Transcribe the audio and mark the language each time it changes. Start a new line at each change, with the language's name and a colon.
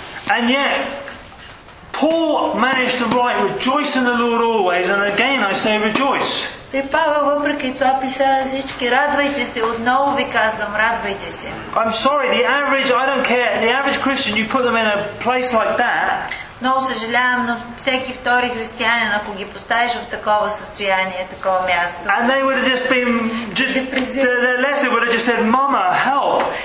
English: And yet, Paul managed to write, "Rejoice in the Lord always." And again, I say, rejoice.
Bulgarian: И Павел въпреки това писа всички радвайте се, отново ви казвам радвайте се.
English: I'm sorry, the average, I don't care, the average Christian, you put them in a place like that.
Bulgarian: Много съжалявам, но всеки втори християнин, ако ги поставиш в такова състояние, такова място.
English: And they would have just been, their letter would have just said, Mama, help.